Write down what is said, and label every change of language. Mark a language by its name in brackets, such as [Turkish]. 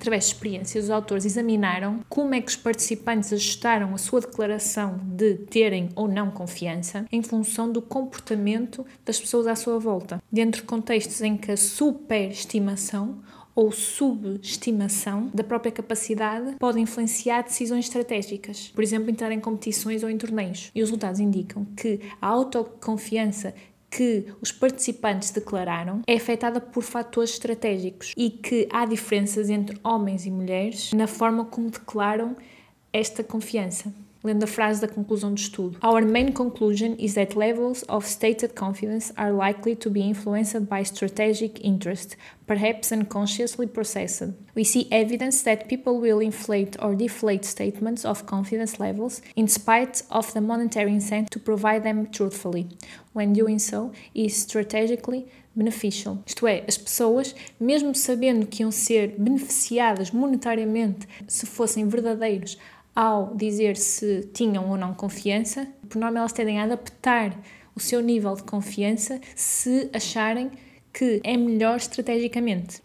[Portuguese] Através de experiências, os autores examinaram como é que os participantes ajustaram a sua declaração de terem ou não confiança em função do comportamento das pessoas à sua volta, dentro de contextos em que a superestimação ou subestimação da própria capacidade pode influenciar decisões estratégicas, por exemplo, entrar em competições ou em torneios. E os resultados indicam que a autoconfiança que os participantes declararam é afetada por fatores estratégicos e que há diferenças entre homens e mulheres na forma como declaram esta confiança. Lendo a frase da conclusão do estudo: [English] "Our main conclusion is that levels of stated confidence are likely to be influenced by strategic interest, perhaps unconsciously processed. We see evidence that people will inflate or deflate statements of confidence levels in spite of the monetary incentive to provide them truthfully. When doing so, is strategically beneficial." [Portuguese] Isto é, as pessoas, mesmo sabendo que iam ser beneficiadas monetariamente se fossem verdadeiros ao dizer se tinham ou não confiança, por norma elas tendem a adaptar o seu nível de confiança se acharem que é melhor estrategicamente.